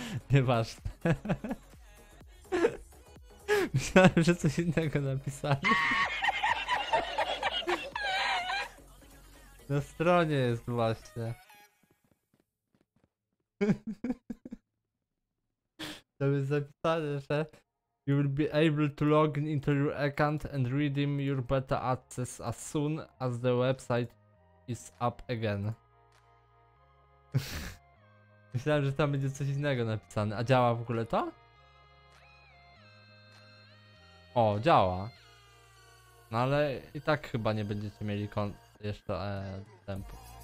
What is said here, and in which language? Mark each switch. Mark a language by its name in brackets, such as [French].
[Polish] Nieważne. Myślałem, że coś innego napisali. Na stronie jest właśnie. To jest zapisane, że [English] you will be able to log into your account and redeem your beta access as soon as the website is up again. [Polish] Myślałem, że tam będzie coś innego napisane. A działa w ogóle to? O, działa. No ale i tak chyba nie będziecie mieli jeszcze tempu.